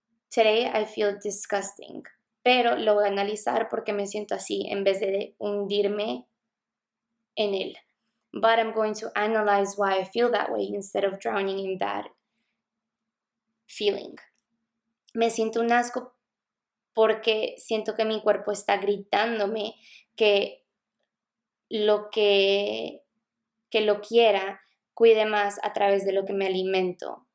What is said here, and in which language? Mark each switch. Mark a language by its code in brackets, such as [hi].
[en] Today I feel disgusting, [es] pero lo voy a analizar porque me siento así en vez de hundirme en él. [en] But I'm going to analyze why I feel that way instead of drowning in that feeling. [es] Me siento un asco porque siento que mi cuerpo está gritándome que lo quiera, cuide más a través de lo que me alimento.